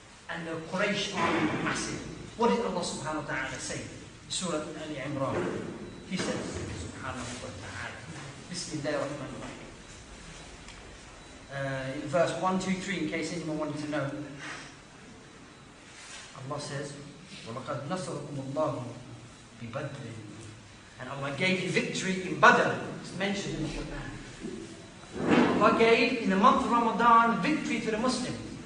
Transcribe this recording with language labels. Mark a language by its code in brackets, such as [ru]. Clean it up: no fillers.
[en] And the Quraysh army were massive. What did Allah subhanahu wa ta'ala say? Surah Ali Imran. He says, subhanahu wa ta'ala, Bismillah ar-Rahman ar-Rahim. Verse 1, 2, 3, in case anyone wanted to know. Allah says, [ar] وَلَقَدْ نَصَرَكُمُ اللَّهُ بِبَدْرٍ. [en] And Allah gave you victory in Badr. It's mentioned in the Quran. Allah gave, in the month of Ramadan, victory to the Muslims.